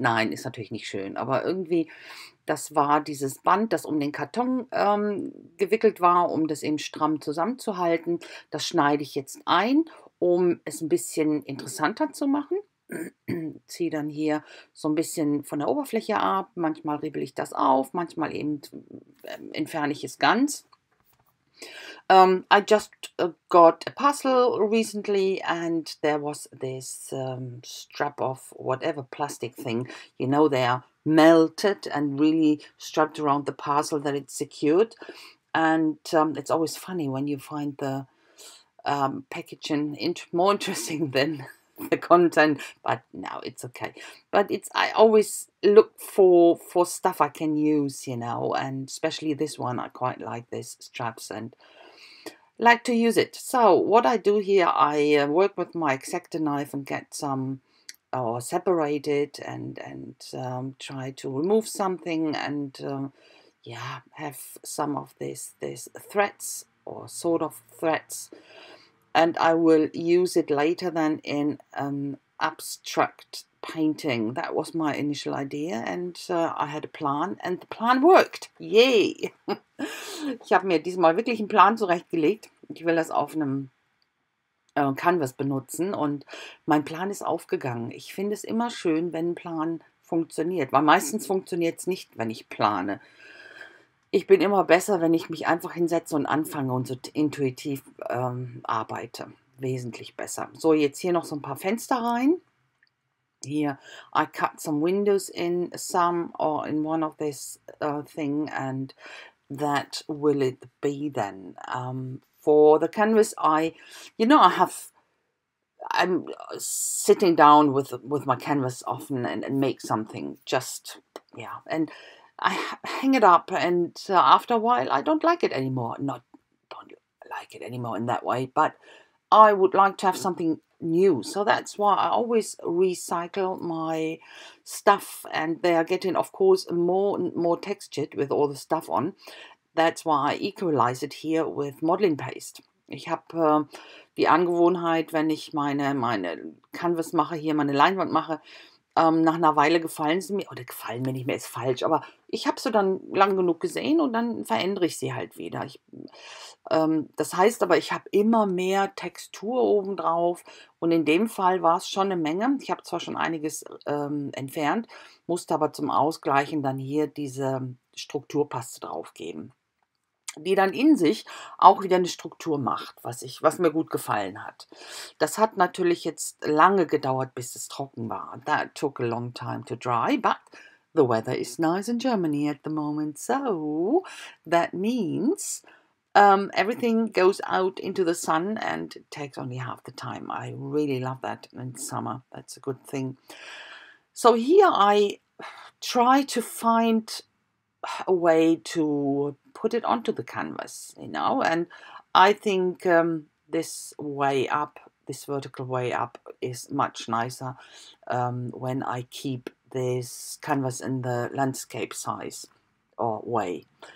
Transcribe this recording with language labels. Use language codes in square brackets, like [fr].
[de] Nein, ist natürlich nicht schön, aber irgendwie, das war dieses Band, das um den Karton gewickelt war, um das eben stramm zusammenzuhalten. Das schneide ich jetzt ein, um es ein bisschen interessanter zu machen. Ziehe dann hier so ein bisschen von der Oberfläche ab. Manchmal ribbel ich das auf, manchmal eben entferne ich es ganz. [en] I just got a parcel recently and there was this strap of whatever plastic thing. You know, they are melted and really strapped around the parcel that it's secured. And it's always funny when you find the packaging more interesting than the content, but now it's okay. But it's, I always look for stuff I can use, you know, and especially this one, I quite like this straps and like to use it. So what I do here, I work with my X-acto knife and get some or separate it and try to remove something and have some of this threads or sort of threads. And I will use it later then in an abstract painting. That was my initial idea and I had a plan and the plan worked. Yay! [de] Ich habe mir diesmal wirklich einen Plan zurechtgelegt. Ich will das auf einem Canvas benutzen und mein Plan ist aufgegangen. Ich finde es immer schön, wenn ein Plan funktioniert, weil meistens funktioniert es nicht, wenn ich plane. Ich bin immer besser, wenn ich mich einfach hinsetze und anfange und so intuitiv arbeite. Wesentlich besser. So, jetzt hier noch so ein paar Fenster rein. [en] Hier, I cut some windows in some or in one of this thing and that will it be then. For the canvas, I'm sitting down with my canvas often and make something just, yeah, and I hang it up and after a while I don't like it anymore. Not don't like it anymore in that way, but I would like to have something new. So that's why I always recycle my stuff and they are getting, of course, more and more textured with all the stuff on. That's why I equalize it here with modeling paste. [de] Ich habe die Angewohnheit, wenn ich meine Canvas mache, hier meine Leinwand mache, nach einer Weile gefallen sie mir, oder gefallen mir nicht mehr, ist falsch, aber ich habe sie dann lang genug gesehen und dann verändere ich sie halt wieder. Das heißt aber, ich habe immer mehr Textur obendrauf und in dem Fall war es schon eine Menge. Ich habe zwar schon einiges entfernt, musste aber zum Ausgleichen dann hier diese Strukturpaste drauf geben, die dann in sich auch wieder eine Struktur macht, was mir gut gefallen hat. Das hat natürlich jetzt lange gedauert, bis es trocken war. [en] That took a long time to dry, but the weather is nice in Germany at the moment. So that means everything goes out into the sun and takes only half the time. I really love that in summer. That's a good thing. So here I try to find a way to put it onto the canvas, you know, and I think this way up, this vertical way up is much nicer when I keep this canvas in the landscape size or way.